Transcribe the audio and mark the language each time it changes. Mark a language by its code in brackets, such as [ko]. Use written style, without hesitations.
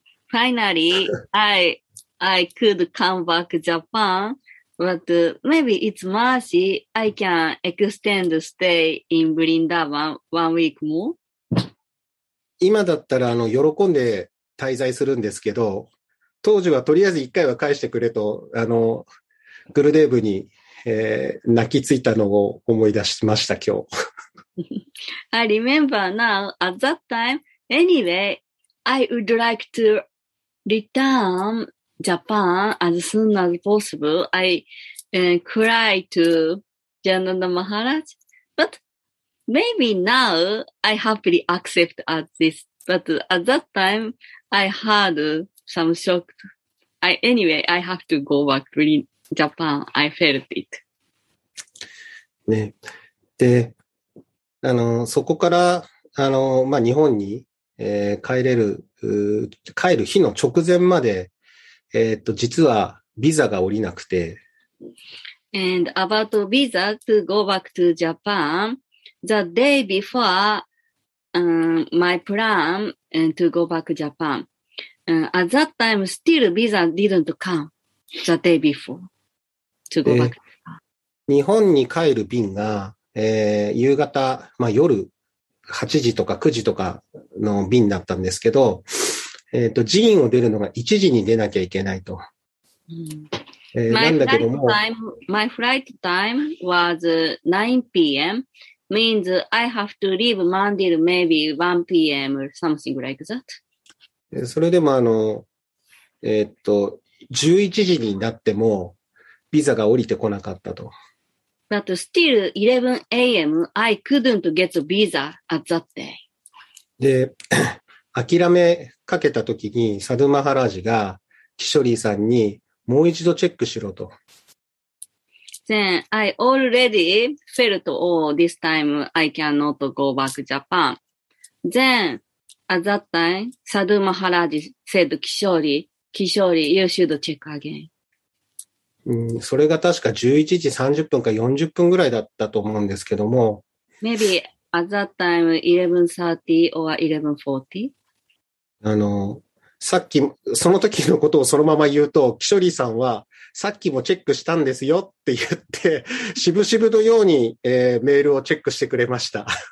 [en] Finally, I could come back Japan, but maybe it's mercy I can extend stay in ブリンダーバン one week more. [ja] 今だったら喜んで滞在するんですけど、当時はとりあえず一回は返してくれと、グルデーブに、泣きついたのを思い出しました、今日。 [en] I remember now, at that time, anyway, I would like to return Japan as soon as possible. I cry to Jananda Maharaj, but maybe now I happily accept at this, but at that time,I had some shock. I have to go back to Japan. I felt it. [ja] ね。で、そこから、まあ、日本に、帰る日の直前まで、実はビザが降りなくて。 [en] And about visa to go back to Japan, the day before, my plan to go back to Japan. At that time, still visa didn't come the day before to go back. [ja] 日本に帰る便が、夕方、まあ、夜8時とか9時とかの便だったんですけど、寺院を出るのが1時に出なきゃいけないと。 [en] My flight time was 9 p.m. means I have to leave Mandir maybe 1 p.m. or something like that. [ja] それでも11時になってもビザが降りてこなかったと。 [en] But still 11 a.m. I couldn't get a visa at that day. [ja] で、諦めかけた時にサドゥマハラージがキショリーさんにもう一度チェックしろと。 [en] Then I already felt, oh, this time I cannot go back to Japan. Then at that time, サドゥマハラージ said, Kishori, you should check again. [ja] それが確か11時30分か40分ぐらいだったと思うんですけども。 [en] Maybe at that time, 11:30 or 11:40? [ja] さっき、その時のことをそのまま言うと、キショリーさんは、さっきもチェックしたんですよって言って、しぶしぶのように、メールをチェックしてくれました。